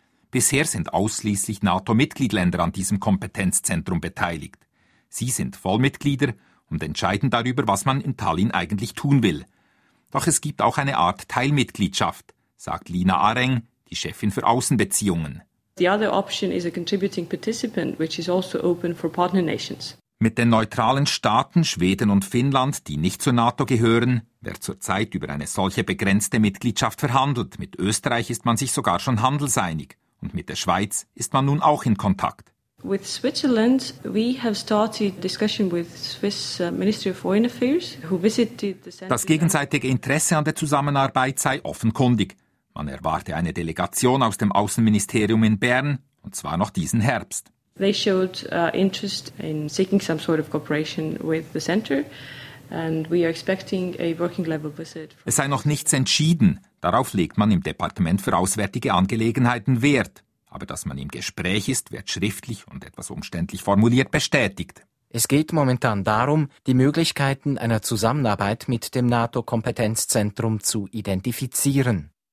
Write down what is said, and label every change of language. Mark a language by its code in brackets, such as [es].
[de] Bisher sind ausschließlich NATO-Mitgliedsländer an diesem Kompetenzzentrum beteiligt. Sie sind Vollmitglieder und entscheiden darüber, was man in Tallinn eigentlich tun will. Doch es gibt auch eine Art Teilmitgliedschaft, sagt Lina Areng, die Chefin für Außenbeziehungen. [en] The other option is a contributing participant, which is also open for partner nations. [de] Mit den neutralen Staaten Schweden und Finnland, die nicht zur NATO gehören, wird zurzeit über eine solche begrenzte Mitgliedschaft verhandelt. Mit Österreich ist man sich sogar schon handelseinig. Und mit der Schweiz ist man nun auch in Kontakt. [en] With Switzerland, we have started discussion with Swiss Ministry of Foreign Affairs, who visited the [de] center. Das gegenseitige Interesse an der Zusammenarbeit sei offenkundig. Man erwarte eine Delegation aus dem Außenministerium in Bern, und zwar noch diesen Herbst. [en] They showed interest in seeking some sort of cooperation with the center, and we are expecting a working level visit. [de] Es sei noch nichts entschieden. Darauf legt man im Departement für auswärtige Angelegenheiten Wert. aber dass man im Gespräch ist, wird schriftlich und etwas umständlich formuliert bestätigt. Es geht momentan darum, die Möglichkeiten einer Zusammenarbeit mit dem NATO-Kompetenzzentrum zu identifizieren.